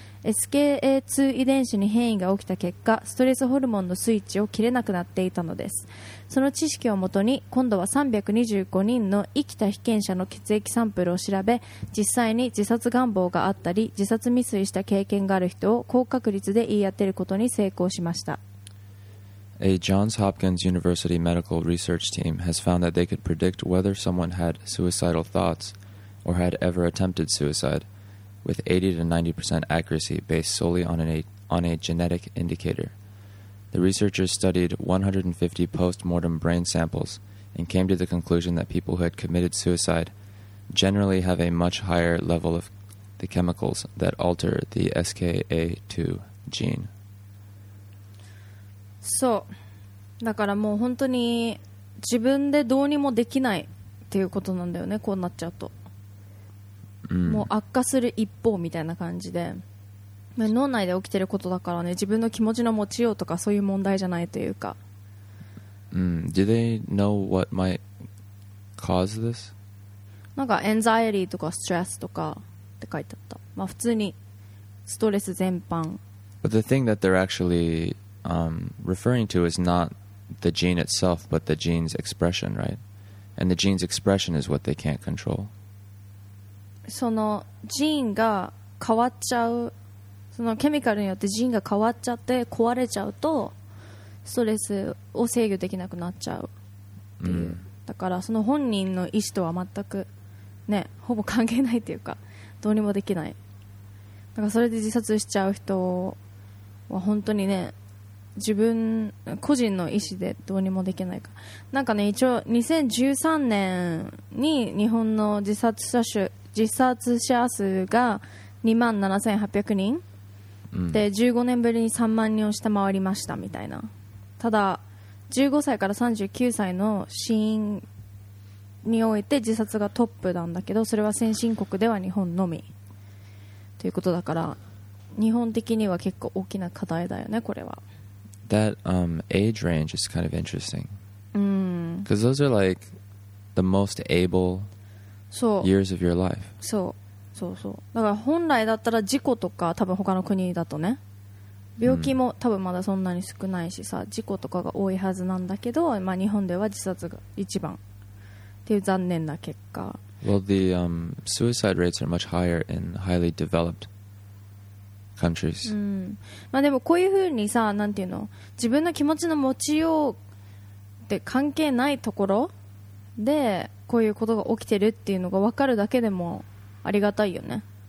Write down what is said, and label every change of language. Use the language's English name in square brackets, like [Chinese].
[Japanese] SKA2 遺伝子に変異が起きた結果、ストレスホルモンのスイッチを切れなくなっていたのです。その知識をもとに、今度は325人の生きた被験者の血液サンプルを調べ、実際に自殺願望があったり自殺未遂した経験がある人を高確率で言い当てることに成功しました。 [English] A Johns Hopkins University medical research team has found that they could predict whether someone had suicidal thoughts or had ever attempted suicide with 80 to 90% accuracy based solely on a genetic indicator. The researchers studied 150 post-mortem brain samples and came to the conclusion that people who had committed suicide generally have a much higher level of the chemicals that alter the SKA2 gene. [Japanese] そう、だからもう本当に自分でどうにもできないっていうことなんだよね、こうなっちゃうと、うん、もう悪化する一方みたいな感じで、脳内で起きてることだからね、自分の気持ちの持ちようとかそういう問題じゃないというか、 [English] うん、Do they know what might cause this? [Japanese] なんかエンザイエリーとかストレスとかって書いてあった、まあ、普通にストレス全般。 [English] But the thing that they're actuallyreferring to is not the gene itself, but the gene's expression, right? And the gene's expression is what they can't control. [Japanese] そのジーンが変わっちゃう、そのケミカルによってジーンが変わっちゃって壊れちゃうと、ストレスを制御できなくなっちゃうっていう。 Mm. だからその本人の意思とは全くね、ほぼ関係ないっていうか、どうにもできない。だからそれで自殺しちゃう人は本当にね、自分個人の意思でどうにもできないか。なんかね、一応2013年に日本の自殺者数が 27,800 人、うん、で15年ぶりに3万人を下回りましたみたいな。ただ15歳から39歳の死因において自殺がトップなんだけど、それは先進国では日本のみということだから、日本的には結構大きな課題だよね、これは。 [English] That age range is kind of interesting. Because those are like the most able years of your life. [Japanese] そう、そうそう。だから本来だったら事故とか、多分他の国だとね、病気も多分まだそんなに少ないしさ、事故とかが多いはずなんだけど、まあ日本では自殺が一番っていう残念な結果。 [English] Well, the suicide rates are much higher in highly developedcountries. [Japanese] まあでもこういう風にさ、なんていうの、自分の気持ちの持ちようって関係ないところでこういうことが起きてるっていうのが分かるだけでもありがたいよね。